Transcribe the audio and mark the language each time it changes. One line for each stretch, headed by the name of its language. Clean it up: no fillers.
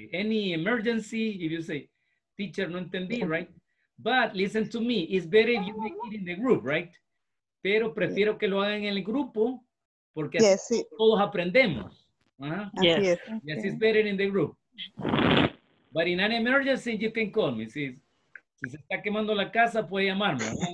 English: Okay, any emergency, if you say, teacher,
Spanish: no entendí,
English: right? But listen to me, it's better if you make it in the group, right?
Spanish: Pero prefiero que lo hagan en el grupo, porque todos aprendemos.
English: Yes, it's better in the group. But in an emergency, you can call me.
Spanish: Si, si se está quemando la casa, puede llamarme.